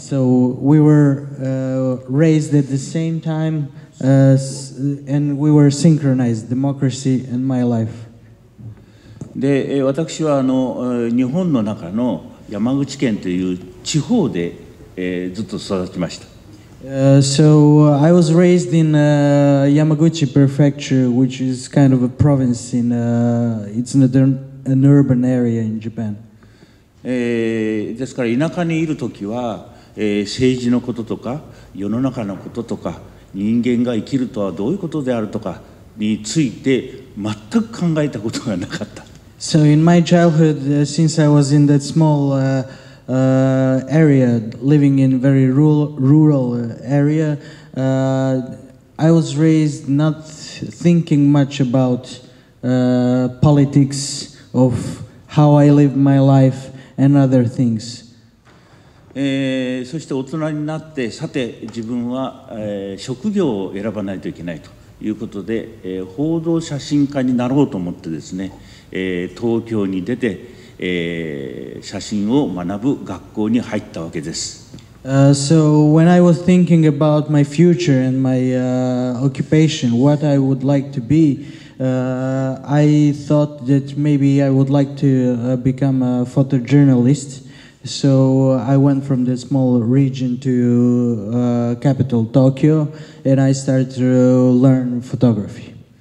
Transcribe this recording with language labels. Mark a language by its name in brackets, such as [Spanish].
[English] So we were raised at the same time and we were synchronized, democracy and my life. [Japanese] で、私は日本の中の山口県という地方で、ずっと育ちました。 [English] So I was raised in Yamaguchi Prefecture, which is kind of a province in it's an urban area in Japan. [Japanese] ですから田舎にいるときは、政治のこととか世の中のこととか人間が生きるとはどういうことであるとかについて全く考えたことがなかった。 [English] So in my childhood, since I was in that small area, living in very rural area, I was raised not thinking much about politics of how I live my life and other things. [Japanese] そして大人になって、さて自分は、職業を選ばないといけないということで、報道写真家になろうと思ってですね、東京に出て、写真を学ぶ学校に入ったわけです。 [English] So when I was thinking about my future and my occupation, what I would like to be, I thought that maybe I would like to become a photojournalist. So I went from the small region to capital Tokyo, and I started to learn photography.